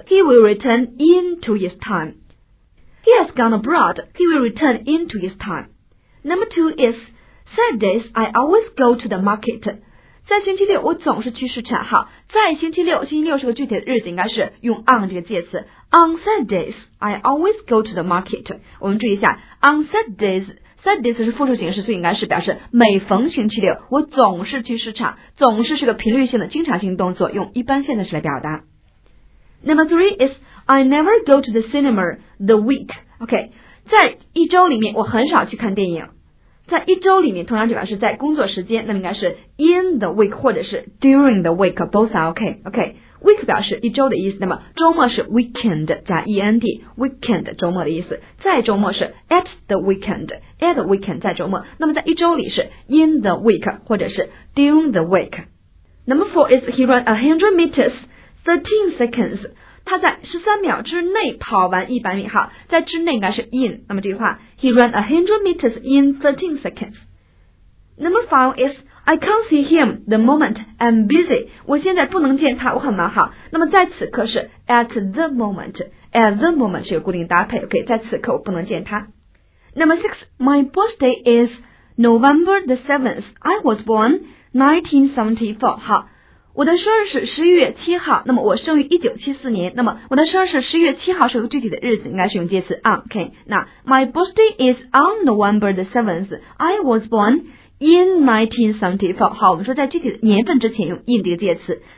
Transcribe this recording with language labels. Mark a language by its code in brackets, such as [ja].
[en] He will return in 2 years time. He has gone abroad. He will return in 2 years time. Number two is Saturdays. I always go to the market. [zh] 在星期六我总是去市场。好，在星期六，星期六是个具体的日子，应该是用 on 这个介词。 [en] On Saturdays I always go to the market。 [zh] 我们注意一下 On Saturdays， Saturdays 是复数形式，所以应该是表示每逢星期六我总是去市场。总是是个频率性的经常性动作，用一般现在时来表达。 [en] Number three is I never go to the cinema the week。 [zh] OK， 在一周里面我很少去看电影。在一周里面通常就表示在工作时间，那么应该是 in the week 或者是 during the week， [en] both are okay, okay. [zh] Week 表示一周的意思，那么周末是 weekend 加 end， weekend 周末的意思。在周末是 at the weekend， at the weekend 在周末。那么在一周里是 in the week 或者是 during the week。 [en] Number four is he ran 100 meters 13 seconds。 [zh] 他在13秒之内跑完100米。好，在之内应该是 in， 那么这句话 [en] He ran 100 meters in 13 seconds. Number five is I can't see him the moment I'm busy. [zh] 我现在不能见他，我很忙。好，那么在此刻是 at the moment. At the moment 是有固定搭配。 OK， 在此刻我不能见他。 [en] Number six, my birthday is November the 7th. I was born 1974. [zh] 好，我的生日是11月7号，那么我生于1974年，那么我的生日是11月7号是一个具体的日子，应该是用介词 on。 [en] OK， [zh] 那 [en] My birthday is on November the 7th. I was born in 1974. [zh] 好，我们说在具体的年份之前用 in 这个介词。